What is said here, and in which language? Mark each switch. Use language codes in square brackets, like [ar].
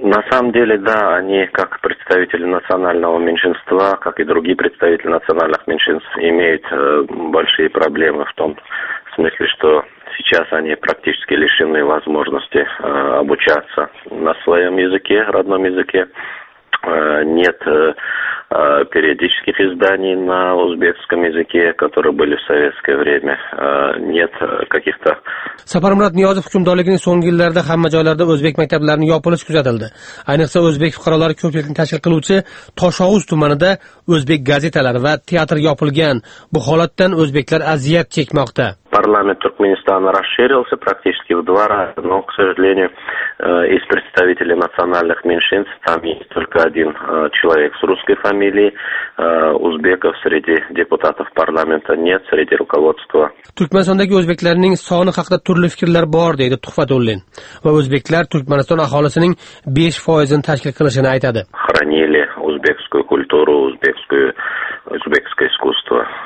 [ru] На самом деле, да, они как представители национального меньшинства, как и другие представители национальных меньшинств имеют большие проблемы в том смысле, что сейчас они практически лишены возможности обучаться на своем языке, родном языке. Нет периодических изданий на узбекском языке, которые были в советское время. Нет каких-то... [uz] Сапармурат Ниязов hukumdorligining so'nggi yillarida hamma joylarda o'zbek maktablarining yopilishi kuzatildi. Ayniqsa o'zbek fuqarolari ko'pchilikni tashkil qiluvchi Toshovuz tumanida o'zbek gazetalari va teatr yopilgan. Bu holatdan o'zbeklar aziyat chekmoqda. [ru] Parlament Turkmenistana расширился практически в два раза, но, к сожалению, из представителей национальных меньшинств там есть только один человек с русской фамилией. Узбеков среди депутатов парламента нет, среди руководства. [uz] Turkmanistondagi o'zbeklarning soni haqida turli fikrlar bor, deydi Tuhfatullin. Va o'zbeklar Turkmaniston aholisining 5%ini tashkil qilishini aytadi. [ru] Хранили узбекскую культуру, узбекскую узбекское искусство.